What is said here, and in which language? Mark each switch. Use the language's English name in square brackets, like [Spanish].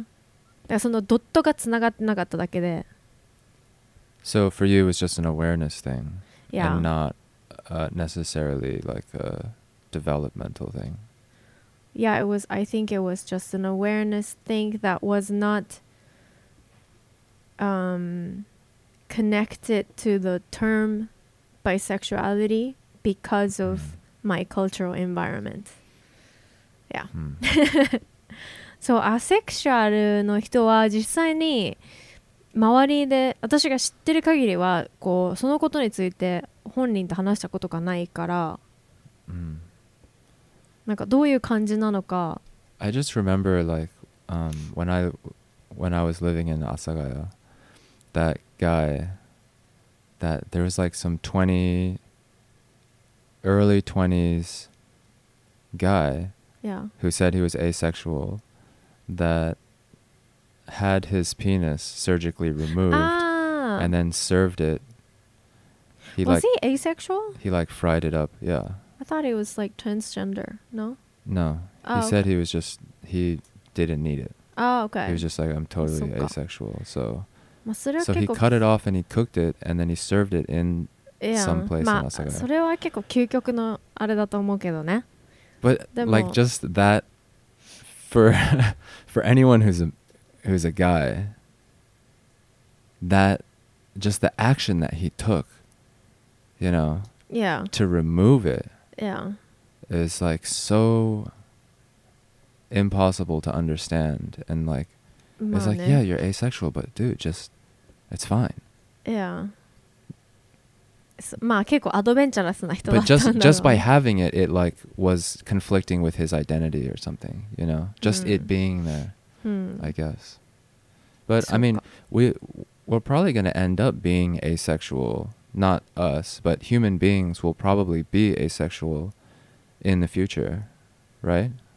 [Japanese] だからそのドットがつながってなかっただけで。 [English] So for you it was just an awareness thing、 yeah. and not、necessarily like a developmental thing. Yeah, it was, I think it was just an awareness thing that was not、connected to the term bisexuality because of、hmm. my cultural environment. Yeah. Hmm. [Japanese] そう、アセクシュアルの人は実際に周りで私が知ってる限りはこうそのことについて本人と話したことがないから、 hmm. なんかどういう感じなのか。 [English] I just remember like、when I was living in Asagaya, that guy, that there was like some 20 early 20s guy Yeah. Who said he was asexual, that had his penis surgically removed、 ah. and then served it. He was like, he asexual? He like fried it up, yeah. I thought he was like transgender, no? No. He、oh, said、okay. he was just, he didn't need it. Oh, okay. He was just like, I'm totally asexual. So,、 [Japanese] まあ、それは [English] so he cut it off and he cooked it and then he served it in、yeah. some place、まあ、 in Osaka. [Japanese] それは結構究極のあれだと思うけどね。 [English] But like just that, for for anyone who's a guy, that just the action that he took, you know, yeah, to remove it, yeah, is like so impossible to understand. And like, まあ、 it's like, yeah, you're asexual, but dude, just it's fine. Yeah. [Japanese] まあ結構アドベンチャラスな人だったんだろう。 [English] But just by having it, it like was conflicting with his identity or something, you know? Just、 [Japanese] うん、 [English] it being there,、うん、 I guess. But I mean, we're probably going to end up being asexual. Not us, but human beings will probably be asexual in the future, right?